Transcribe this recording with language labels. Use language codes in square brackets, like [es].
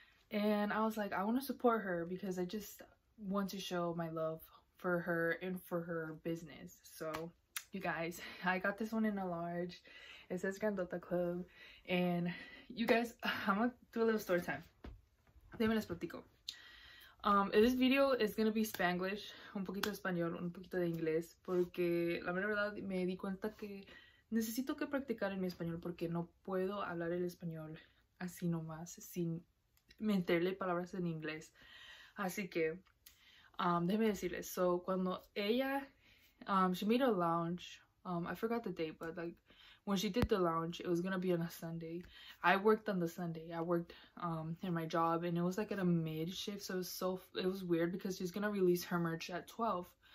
[en] And I was like, I want to support her because I just want to show my love for her and for her business. So you guys, I got this one in a large. It says Grandota Club. And you guys, I'm gonna do a little story time. [es] Déjame les platico. [en] This video is gonna be Spanglish, [es] un poquito de español, un poquito de inglés, porque la mera verdad me di cuenta que necesito que practicar en mi español, porque no puedo hablar el español así nomás sin meterle palabras en inglés. Así que déjeme decirles, [en] so [es] cuando ella [en] she made a lounge, I forgot the date, but like when she did the lounge, it was gonna be on a Sunday. I worked on the Sunday. I worked in my job, and it was like at a mid shift, so it was weird because she's gonna release her merch at 12.